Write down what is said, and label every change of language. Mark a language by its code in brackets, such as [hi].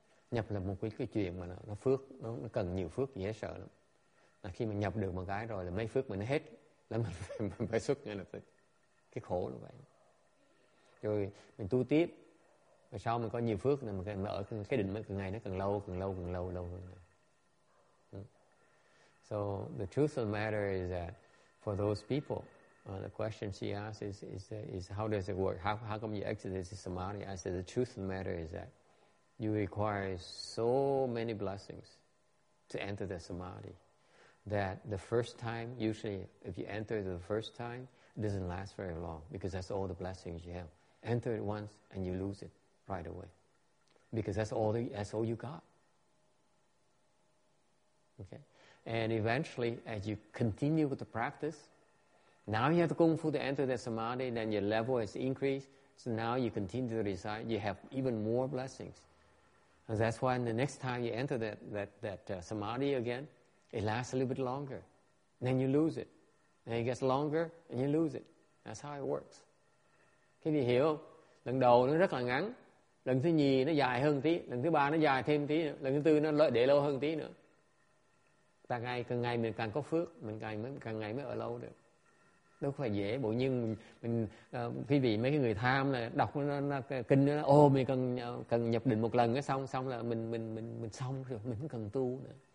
[vi] Nhập là một cái chuyện mà nó phước, nó cần nhiều phước, dễ sợ lắm. Là khi mà nhập được một cái rồi là mấy phước mình hết, là mình phải xuất ngay lập tức. Cái khổ là vậy. Rồi mình tu tiếp, và sau mình có nhiều phước nên mình ở cái định mới càng ngày nó càng lâu hơn. [en] So the truth of the matter is that for those people, the question she asks is how does it work? How come you exit this samadhi? I said the truth of the matter is that you require so many blessings to enter the samadhi that the first time, usually if you enter the first time, it doesn't last very long because that's all the blessings you have. Enter it once and you lose it. Right away, because that's all you got. Okay, and eventually, as you continue with the practice, now you have the kung fu to enter the samadhi. Then your level has increased. So now you continue to recite. You have even more blessings, and that's why the next time you enter that samadhi again, it lasts a little bit longer. Then you lose it. Then it gets longer, and you lose it. That's how it works. Can you hear? [vi] Lần đầu nó rất là ngắn. Lần thứ nhì nó dài hơn tí, lần thứ ba nó dài thêm tí nữa, lần thứ tư nó để lâu hơn tí nữa. Càng ngày mình càng có phước, mình càng ngày mới ở lâu được. Đâu phải dễ, bộ nhưng mình quý vị mấy người tham là đọc nó kinh nó ô mình cần nhập định một lần cái xong là mình xong rồi, mình không cần tu nữa.